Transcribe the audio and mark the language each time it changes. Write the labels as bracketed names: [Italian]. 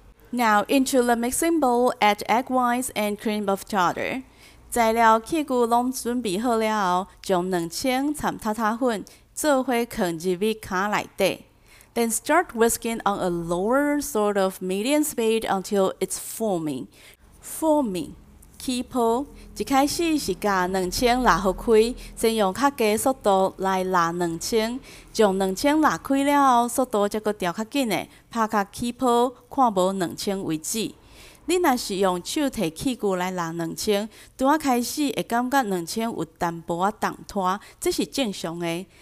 [English] Now into the mixing bowl, add egg whites and cream of tartar. [Min Nan Chinese] 材料器具都准备好了后，将卵清掺塔塔粉做伙放入卡内底。 [English] Then start whisking on a lower sort of medium speed until it's forming. Forming, keep on. [Min Nan Chinese] 一开始是把卵清拉好开，先用较低速度来拉卵清，将卵清拉开了后，速度再搁调较紧的，拍卡 [English] keep on， [Min Nan Chinese] 看无卵清为止。你若是用手提器具来拉卵清，拄仔开始会感觉卵清有淡薄仔动拖，这是正常的。